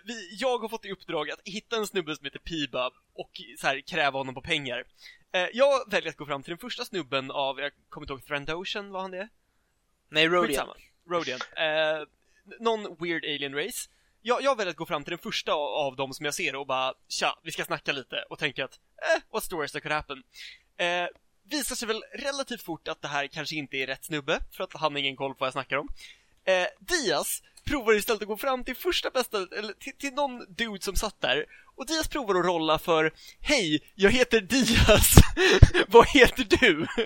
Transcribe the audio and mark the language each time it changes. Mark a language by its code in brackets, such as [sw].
[sv] Jag har fått i uppdrag att hitta en snubbe som heter Piba och så här, kräva honom på pengar. Jag väljer att gå fram till den första snubben av, jag kommer inte ihåg, Thrandoshan, vad han det? Nej, Rodian. [en] Rodian. Någon weird alien race. [sv] Jag väljer att gå fram till den första av dem som jag ser och bara, tja, vi ska snacka lite. Och tänka att, [en] what stories that could happen. [sv] Visar sig väl relativt fort att det här kanske inte är rätt snubbe, för att han har ingen koll på vad jag snackar om. Dias provar istället att gå fram till första bästa, eller till någon dude som satt där. Och Dias provar att rolla för, hej, jag heter Dias, vad heter du?